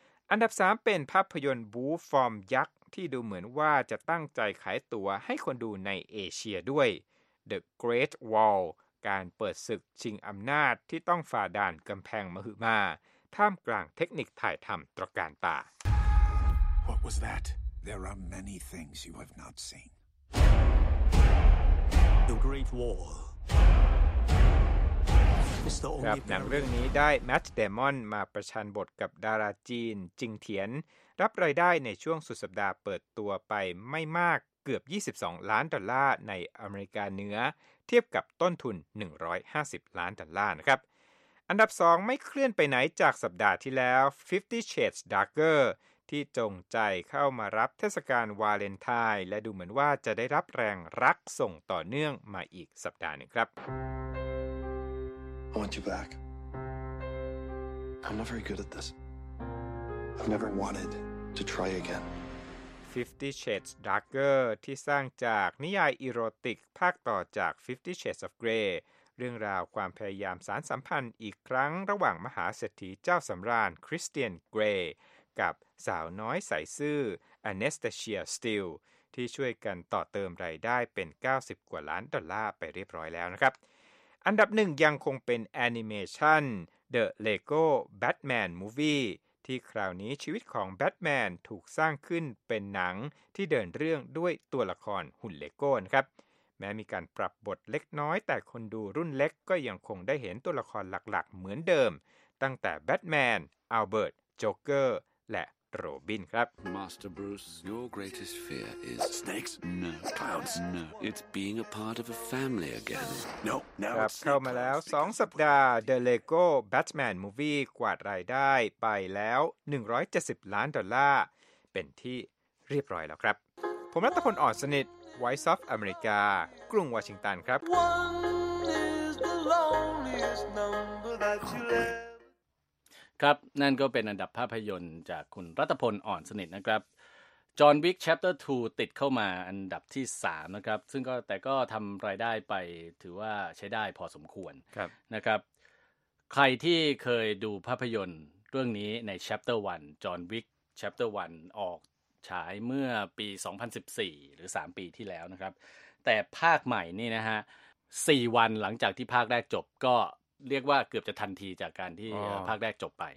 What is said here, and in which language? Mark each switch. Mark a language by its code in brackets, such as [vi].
[th] อันดับ3เป็นภาพยนตร์บูฟอร์มยักษ์ที่ดูเหมือนว่าจะตั้งใจขายตัวให้คนดูในเอเชียด้วย The Great Wallการเปิดศึกชิงอำนาจที่ต้องฝ่าด่านกำแพงมหึมาท่ามกลางเทคนิคถ่ายทำตระการตา [en] What was that? There are many things you have not seen. The Great Wall. [th] ครับหนังเรื่องนี้ได้แมทเดมอนมาประชันบทกับดาราจีนจิงเทียนรับรายได้ในช่วงสุดสัปดาห์เปิดตัวไปไม่มากเกือบ$22,000,000ในอเมริกาเหนือเทียบกับต้นทุน$150,000,000นะครับอันดับ2ไม่เคลื่อนไปไหนจากสัปดาห์ที่แล้ว Fifty Shades Darker ที่จงใจเข้ามารับเทศกาลวาเลนไทน์และดูเหมือนว่าจะได้รับแรงรักส่งต่อเนื่องมาอีกสัปดาห์นึงครับ [en] I want you back I'm not very good at this I've never wanted to try again [th] Fifty Shades Darker ที่สร้างจากนิยายอีโรติกภาคต่อจาก Fifty Shades of Grey เรื่องราวความพยายามสานสัมพันธ์อีกครั้งระหว่างมหาเศรษฐีเจ้าสำราญคริสเตียนเกรย์กับสาวน้อยใสซื่ออเนสตาเชียสติลที่ช่วยกันต่อเติมรายได้เป็น $90,000,000ไปเรียบร้อยแล้วนะครับอันดับหนึ่งยังคงเป็นแอนิเมชัน The Lego Batman Movieที่คราวนี้ชีวิตของแบทแมนถูกสร้างขึ้นเป็นหนังที่เดินเรื่องด้วยตัวละครหุ่นเลโก้นะครับแม้มีการปรับบทเล็กน้อยแต่คนดูรุ่นเล็กก็ยังคงได้เห็นตัวละครหลักๆเหมือนเดิมตั้งแต่แบทแมนอัลเบิร์ตโจ๊กเกอร์และโรบินครับ [en] Master Bruce your greatest fear is snakes no clowns no it's being a part of a family again no now [th] เข้ามาแล้ว2สัปดาห์ The Lego Batman Movie กวาดรายได้ไปแล้ว$170,000,000เป็นที่เรียบร้อยแล้วครับผมรัตพลอ่อนสนิท Voice of America กรุงวอชิงตันครับ [en] One is the loneliest number that you leve [th] ครับนั่นก็เป็นอันดับภาพยนตร์จากคุณรัตพลอ่อนสนิทนะครับ John Wick Chapter 2ติดเข้ามาอันดับที่3นะครับซึ่งก็แต่ก็ทำรายได้ไปถือว่าใช้ได้พอสมควร ครับ นะครับใครที่เคยดูภาพยนตร์เรื่องนี้ใน Chapter 1 John Wick Chapter 1ออกฉายเมื่อปี2014หรือ3ปีที่แล้วนะครับแต่ภาคใหม่นี่นะฮะ4วันหลังจากที่ภาคแรกจบก็เรียกว่าเกือบจะทันทีจากการที่ภาคแรกจบไป